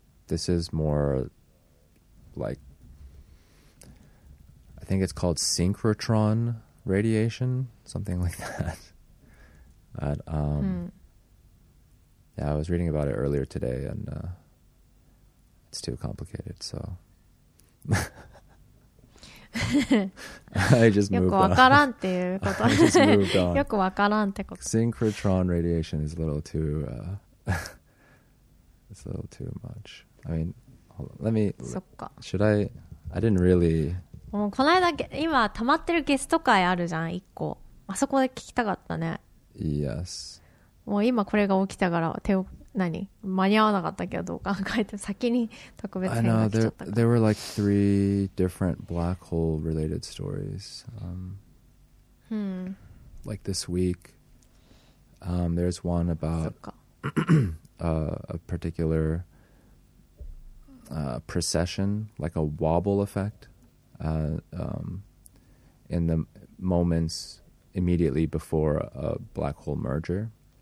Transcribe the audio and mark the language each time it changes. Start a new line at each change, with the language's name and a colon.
English: This is more like, I think it's called synchrotron radiation, something like that. But, yeah, I was reading about it earlier today, and it's too complicated, so... I just moved on.
Japanese: よくわからんっていうこと。よくわからんってこと。
English: Synchrotron radiation is a little too, it's a little too much. I mean, let me.
Japanese: そっか。
English: Should I? I didn't really.
Japanese: もうこの間今溜まってるゲスト回あるじゃん、一個。あそこで聞きたかったね。
English: Yes.
Japanese: もう今これが起きたから手を。何間に合わなかったけど、どう考えて先に特別編が来ちゃったか。
English: There were like three different black hole related stories. Like this week, there's one about a particular precession, like a wobble effect, in the moments immediately before a black hole merger.